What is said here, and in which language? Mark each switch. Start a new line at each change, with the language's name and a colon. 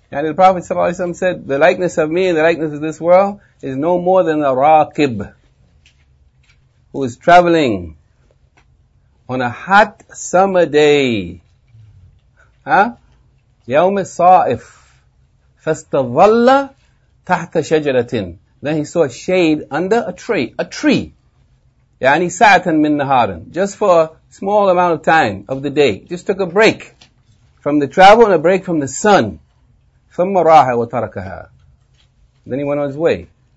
English: And the Prophet ﷺ said, the likeness of me and the likeness of this world is no more than a raqib who is traveling on a hot summer day. Huh?
Arabic: يوم الصائف فاستظل تحت شجرة.
English: Then he saw shade under a tree.
Arabic: يعني ساعة من نهار.
English: Just for a small amount of time of the day. Just took a break from the travel and a break from the sun.
Arabic: ثم راح وتركها.
English: Then he went on his way.